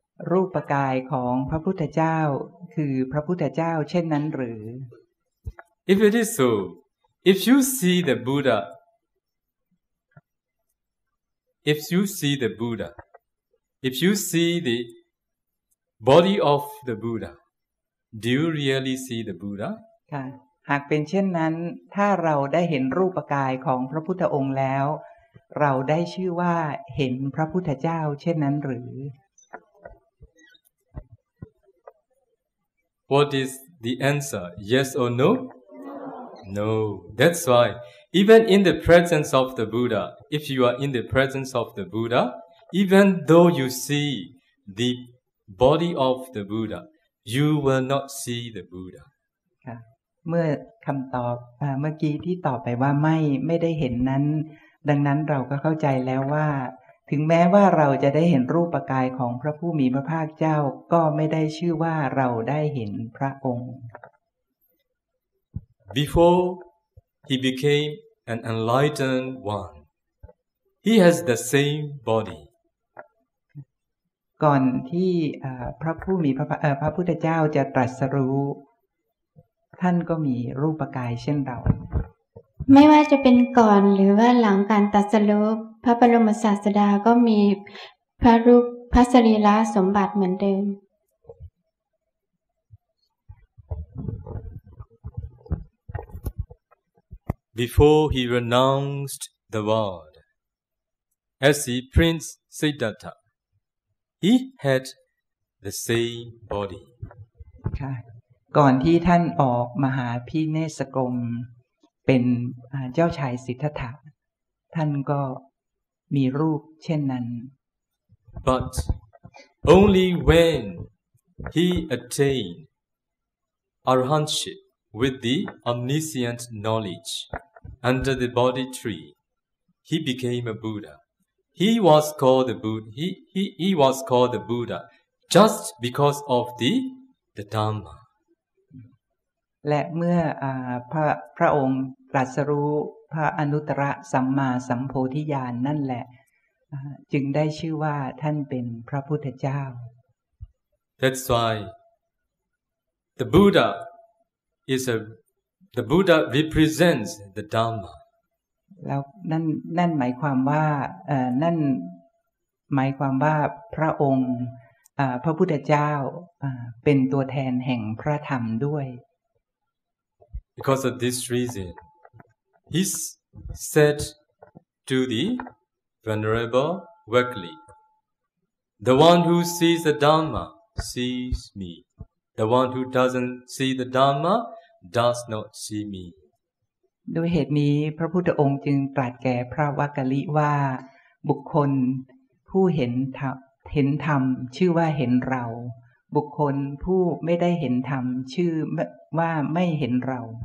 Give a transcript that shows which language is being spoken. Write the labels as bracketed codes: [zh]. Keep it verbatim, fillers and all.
[th] รูปกายของพระพุทธเจ้าคือพระพุทธเจ้าเช่นนั้นหรือ [en] If it is so, if you see the Buddha, if you see the Buddha, if you see the body of the Buddha, do you really see the Buddha? [th] ค่ะหากเป็นเช่นนั้นถ้าเราได้เห็นรูปกายของพระพุทธองค์แล้วเราได้ชื่อว่าเห็นพระพุทธเจ้าเช่นนั้นหรือ [en] What is the answer? Yes or no? No. That's why even in the presence of the Buddha, if you are in the presence of the Buddha, even though you see the body of the Buddha, you will not see the Buddha. [th] ค่ะเมื่อคำตอบเมื่อกี้ที่ตอบไปว่าไม่ไม่ได้เห็นนั้นดังนั้นเราก็เข้าใจแล้วว่าถึงแม้ว่าเราจะได้เห็นรูปกายของพระผู้มีพระภาคเจ้าก็ไม่ได้ชื่อว่าเราได้เห็นพระองค์ [en] Before he became an enlightened one, he has the same body. [th] ก่อนที่พระผู้มีพระพระพุทธเจ้าจะตรัสรู้ท่านก็มีรูปกายเช่นเรา ไม่ว่าจะเป็นก่อนหรือว่าหลังการตรัสรู้พระบรมศาสดาก็มีพระรูปพระสรีระสมบัติเหมือนเดิม [en] Before he renounced the world, as the Prince Siddhartha, he had the same body. [th] ค่ะก่อนที่ท่านออกมหาพิเนศกรมเป็นเจ้าชายสิทธัตถะท่านก็มีรูปเช่นนั้น [en] But only when he attained arahantship with the omniscient knowledge under the Bodhi tree, he became a Buddha. He was called the Buddha. He he he was called the Buddha just because of the the Dhamma. [th] และเมื่อพระพระองค์ตรัสรู้พระอนุตตรสัมมาสัมโพธิญาณนั่นแหละจึงได้ชื่อว่าท่านเป็นพระพุทธเจ้า [en] That's why the Buddha is a the Buddha represents the Dhamma. [th] แล้วนั่นนั่นหมายความว่านั่น หมายความว่าพระองค์พระพุทธเจ้าเป็นตัวแทนแห่งพระธรรมด้วย [en] Because of this reason, he said to the Venerable Weekly, "The one who sees the Dhamma sees me. The one who doesn't see the Dhamma does not see me." [th] ด้วยเหตุนี้พระพุทธองค์จึงตรัสแก่พระวักกลิว่าบุคคลผู้เห็นธรรมเห็นธรรมชื่อว่าเห็นเราบุคคลผู้ไม่ได้เห็นธรรมชื่อว่าไม่เห็นเรา